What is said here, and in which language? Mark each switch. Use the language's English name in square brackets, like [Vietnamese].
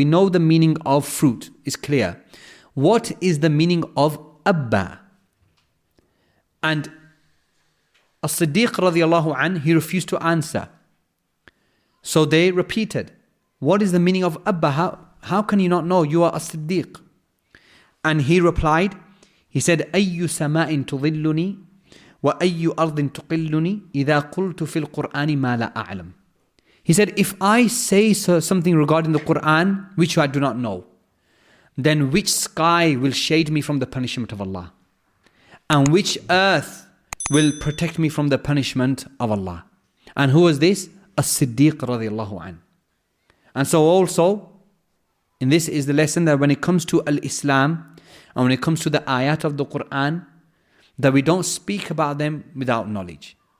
[English] We know the meaning of fruit. It's clear. What is the meaning of أَبَّ And As-Siddiq radiallahu anhu, he refused to answer. So they repeated, What is the meaning of أَبَّ How can you not know? You are As-Siddiq. And he replied, He said, أَيُّ سَمَاءٍ تُظِلُّنِي [Arabic] وأي أرض تقلني إذا قلت في القرآن ما لا أعلم. [English] He said, if I say something regarding the Quran which I do not know, then which sky will shade me from the punishment of Allah? And which earth will protect me from the punishment of Allah? And who was this? As-Siddiq radiallahu an. And so also, in this is the lesson that when it comes to Al-Islam, and when it comes to the ayat of the Quran, that we don't speak about them without knowledge.